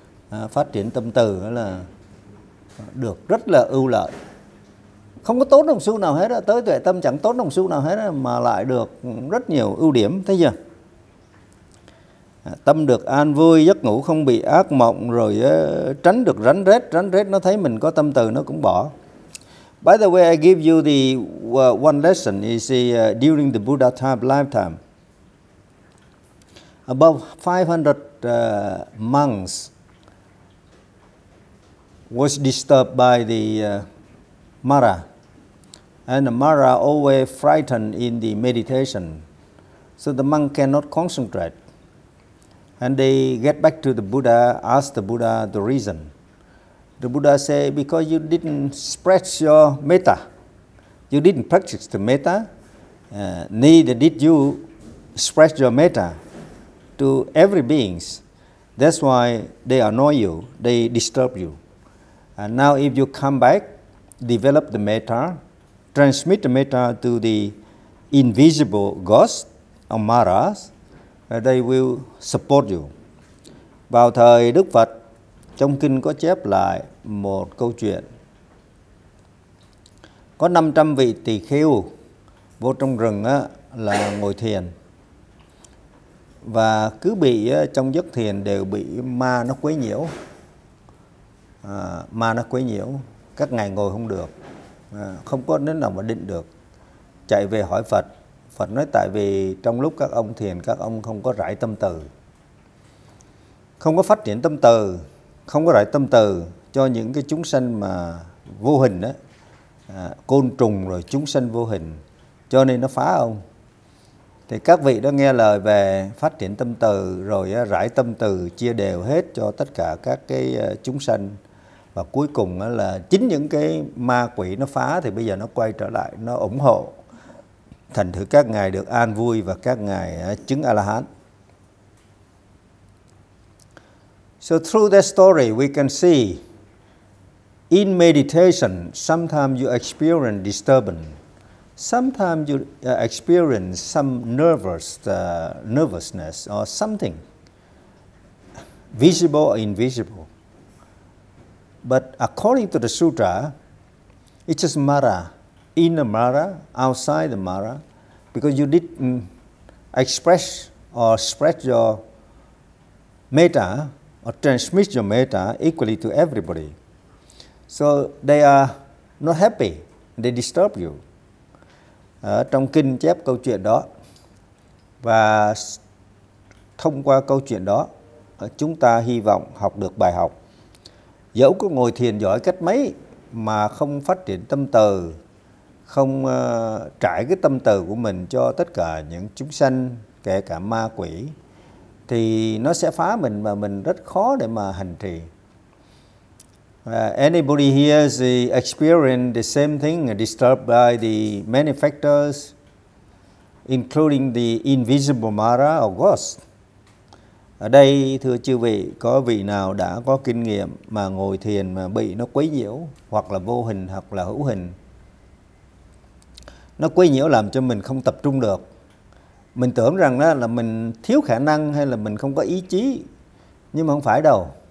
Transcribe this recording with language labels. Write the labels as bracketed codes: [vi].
[vi] Phát triển tâm từ là được rất là ưu lợi. Không có tốn đồng xu nào hết á. Tới tuệ tâm chẳng tốn đồng xu nào hết á, mà lại được rất nhiều ưu điểm. Thấy chưa? Tâm được an vui, giấc ngủ không bị ác mộng. Rồi tránh được rắn rết. Rắn rết nó thấy mình có tâm từ nó cũng bỏ. [en] By the way, I give you the one lesson is during the Buddha time, lifetime. About 500 monks was disturbed by the Mara. And the Mara always frightened in the meditation. So the monk cannot concentrate. And they get back to the Buddha, ask the Buddha the reason. The Buddha say, because you didn't spread your metta, you didn't practice the metta, neither did you spread your metta to every beings. That's why they annoy you, they disturb you. And now if you come back, develop the metta, transmit the metta to the invisible ghost or maras, they will support you. [vi] Vào thời Đức Phật, trong kinh có chép lại một câu chuyện. Có 500 vị tỳ kheo vô trong rừng á, là ngồi thiền. Và cứ bị trong giấc thiền đều bị ma nó quấy nhiễu. Các ngài ngồi không được. Không có đến nào mà định được. Chạy về hỏi Phật. Phật nói tại vì trong lúc các ông thiền, các ông không có rải tâm từ. Không có phát triển tâm từ. Không có rải tâm từ cho những cái chúng sanh mà vô hình đó, côn trùng rồi chúng sanh vô hình, cho nên nó phá ông. Thì các vị đó nghe lời về phát triển tâm từ rồi rải tâm từ chia đều hết cho tất cả các cái chúng sanh, và cuối cùng là chính những cái ma quỷ nó phá thì bây giờ nó quay trở lại, nó ủng hộ. Thành thử các ngài được an vui và các ngài chứng A-la-hán. [en] So through that story, we can see in meditation, sometimes you experience disturbance. Sometimes you experience some nervousness or something, visible or invisible. But according to the sutra, it's just mara, inner mara, outside the mara, because you didn't express or spread your metta or transmit your metta equally to everybody. So they are not happy, they disturb you. [vi] Trong kinh chép câu chuyện đó, và thông qua câu chuyện đó, chúng ta hy vọng học được bài học. Dẫu có ngồi thiền giỏi cách mấy mà không phát triển tâm từ, không trải cái tâm từ của mình cho tất cả những chúng sanh, kể cả ma quỷ, thì nó sẽ phá mình và mình rất khó để mà hành trì. [en] Anybody here has experienced the same thing, disturbed by the many factors, including the invisible Mara or ghost. [vi] Ở đây thưa chư vị, có vị nào đã có kinh nghiệm mà ngồi thiền mà bị nó quấy nhiễu, hoặc là vô hình hoặc là hữu hình, nó quấy nhiễu làm cho mình không tập trung được, mình tưởng rằng đó là mình thiếu khả năng hay là mình không có ý chí, nhưng mà không phải đâu.